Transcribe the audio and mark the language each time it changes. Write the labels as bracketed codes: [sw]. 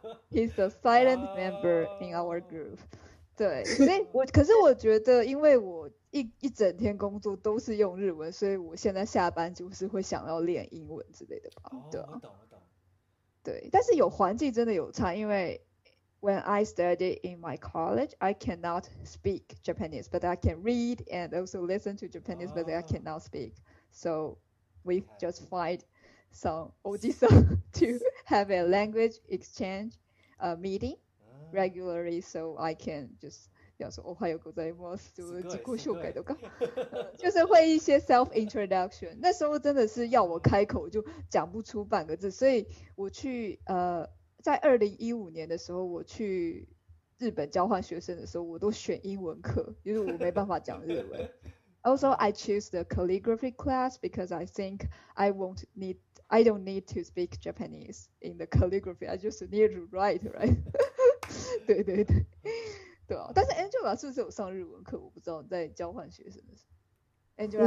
[en] He's a silent member in our group. [zh] 对，所以我可是我觉得，因为我一整天工作都是用日文，所以我现在下班就是会想要练英文之类的吧。哦、对、啊，我懂，我懂。对，但是有环境真的有差，因为。 [en] When I studied in my college, I cannot speak Japanese, but I can read and also listen to Japanese, but I cannot speak. So we just find some ojisan to have a language exchange meeting regularly, so I can just [zh] 要说 [ja] Ohayou gozaimasu, [zh] 就是自己修改的，就是会一些 [en] self introduction. [zh] 那时候真的是要我开口就讲不出半个字，所以我去在2015年的时候，我去日本交换学生的时候，我都选英文课，因为我没办法讲日文。 [en] Also, I choose the calligraphy class because I think I don't need to speak Japanese in the calligraphy. I just need to write, right? [zh] 对对对，对啊。但是 Angela 是不是有上日文课？我不知道在交换学生的时候。Angela